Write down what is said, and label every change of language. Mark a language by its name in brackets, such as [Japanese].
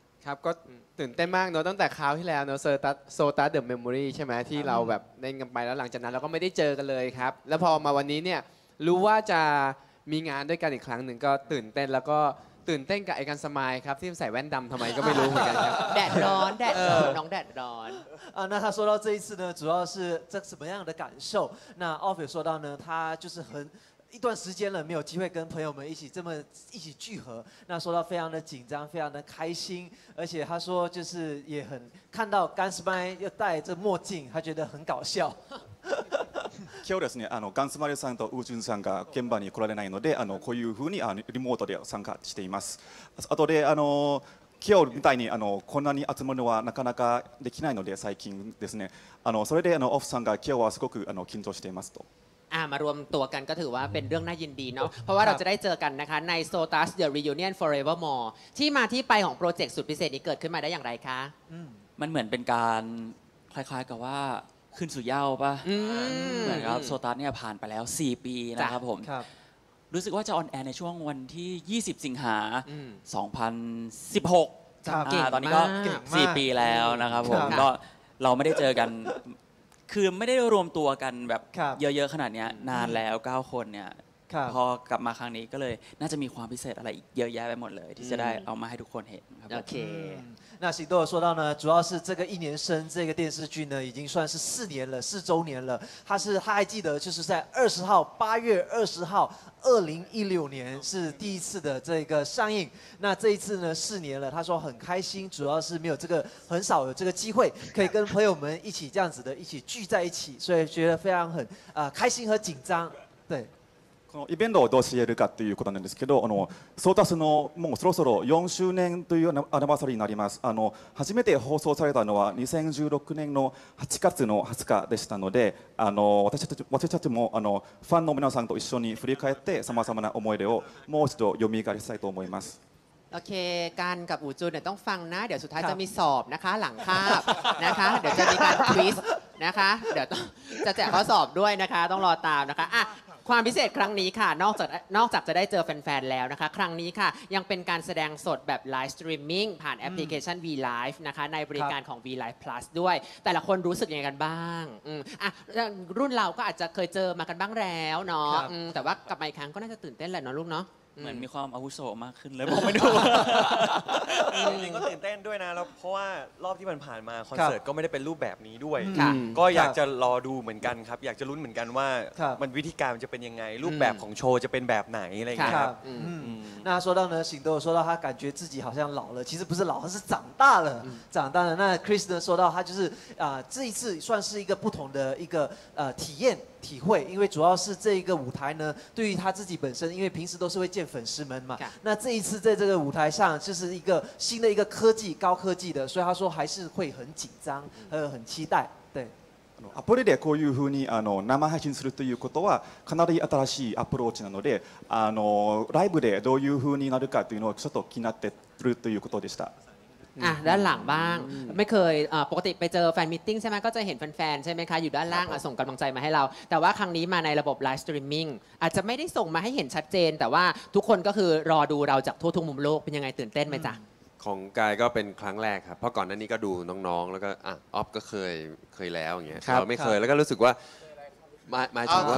[Thai] ครับก็ตื่นเต้นมากเนาะตั้งแต่คราวที่แล้วเนาะโซตัสเดอะเมมโมรีใช่ไหมที่เราแบบได้กันไปแล้วหลังจากนั้นเราก็ไม่ได้เจอกันเลยครับแล้วพอมาวันนี้เนี่ยรู้ว่าจะมีงานด้วยกันอีกครั้งหนึ่งก็ตื่นเต้นแล้วก็ตื่นเต้นกับไอ้กันสมายครับที่ใส่แว่นดำทำไมก็ไม่รู้เหมือนกันครับ แดดร้อนแดดร้อนน้องแดดร้อน นะครับ [Chinese] 说到这一次呢主要是这什么样的感受那奥菲说到呢他就是很一段时间了没有机会跟朋友们一起这么一起聚合那说到非常的紧张非常的开心而且他说就是也很看到甘斯麦又戴着墨镜他觉得很搞笑 [Japanese] 今日ですねガンスマレさんとウジュンさんが現場に来られないのでこういうふうにリモートで参加していますあとで今日みたいにこんなに集まるのはなかなかできないので最近ですねそれでオフさんが今日はすごく緊張していますとも [Thai] ารวมตัวกันก็ถือว่าเป็นเรื่องน่ายินดีเนาะเพราะว่าเราจะได้เจอกันนะคะใน SOTUS The Reunion Forevermore ที่มาที่ไปของโปรเจกต์สุดพิเศษนี้เกิดขึ้นมาได้อย่างไรคะ มันเหมือนเป็นการคล้ายๆกับว่าขึ้นสู่เหย้าป่ะเหมือนครับ SOTUS เนี่ยผ่านไปแล้ว4ปีนะครับผมรู้สึกว่าจะออนแอร์ในช่วงวันที่20สิงหา2016ตอนนี้ก็4ปีแล้วนะครับผมก็เราไม่ได้เจอกัน คือไม่ได้รวมตัวกันแบบเยอะๆขนาดนี้นานแล้ว9คนเนี่ยพอกลับมาครั้งนี้ก็เลยน่าจะมีความพิเศษอะไรเยอะแยะไปหมดเลยที่จะได้เอามาให้ทุกคนเห็นครับ โอเค [Chinese] 那喜多说到呢，主要是这个一年生这个电视剧呢，已经算是四年了，四周年了。他还记得，就是在8月20号，2016年是第一次的这个上映。那这一次呢，四年了，他说很开心，主要是没有这个很少有这个机会可以跟朋友们一起这样子的一起聚在一起，所以觉得非常很开心和紧张，对。 [Japanese] このイベントをどうしているかということなんですけど、あのソータスのもうそろそろ4周年というアニバーサリーになります。あの初めて放送されたのは2016年の8月の20日でしたので、あの私たちもあのファンの皆さんと一緒に振り返ってさまざまな思い出をもう一度蘇りしたいと思います。 [Thai] โอเคการกับอูจูนเนี่ยต้องฟังนะเดี๋ยวสุดท้ายจะมีสอบนะคะหลังคาบนะคะเดี๋ยวจะมีการควิสนะคะเดี๋ยวจะแจกข้อสอบด้วยนะคะต้องรอตามนะคะอ่ะความพิเศษครั้งนี้ค่ะนอกจากจะได้เจอแฟนๆแล้วนะคะครั้งนี้ค่ะยังเป็นการแสดงสดแบบไลฟ์สตรีมมิ่งผ่านแอปพลิเคชัน VLive นะคะในบริการของ VLive Plus ด้วยแต่ละคนรู้สึกยังไงกันบ้างรุ่นเราก็อาจจะเคยเจอมากันบ้างแล้วเนาะแต่ว่ากลับมาอีกครั้งก็น่าจะตื่นเต้นแหละเนาะลูกเน า ะ เหมือนมีความอาวุโสมากขึ้นเลยผมไม่ดู จริงๆก็ตื่นเต้นด้วยนะแล้วเพราะว่ารอบที่ผ่านมาคอนเสิร์ตก็ไม่ได้เป็นรูปแบบนี้ด้วยก็อยากจะรอดูเหมือนกันครับอยากจะลุ้นเหมือนกันว่ามันวิธีการจะเป็นยังไงรูปแบบของโชว์จะเป็นแบบไหนอะไรอย่างเงี้ยครับ [Chinese] 那说到呢，行多说到他感觉自己好像老了，其实不是老，而是长大了，长大了。那 Chris 呢说到他就是这一次算是一个不同的一个体验。体会，因为主要是这一个舞台呢，对于他自己本身，因为平时都是会见粉丝们嘛，那这一次在这个舞台上，就是一个新的一个科技，高科技的，所以他说还是会很紧张，很期待。 [Japanese] アプリでこういうふうにあの生配信するということはかなり新しいアプローチなのであのライブでどういうふうになるかというのをちょっと気になっているということでした。 [Thai] อ่ะด้านหลังบ้างไม่เคยปกติไปเจอแฟนมีตติ้งใช่ไหมก็จะเห็นแฟนๆใช่ไหมคะอยู่ด้านล่างส่งกำลังใจมาให้เราแต่ว่าครั้งนี้มาในระบบไลฟ์สตรีมมิ่งอาจจะไม่ได้ส่งมาให้เห็นชัดเจนแต่ว่าทุกคนก็คือรอดูเราจากทั่วทุกมุมโลกเป็นยังไงตื่นเต้นไหมจ๊ะ ของกายก็เป็นครั้งแรกครับเพราะก่อนหน้านี้ก็ดูน้องๆแล้วก็ออฟก็เคยแล้วอย่างเงี้ยเราไม่เคยแล้วก็รู้สึกว่าหมายถึงว่า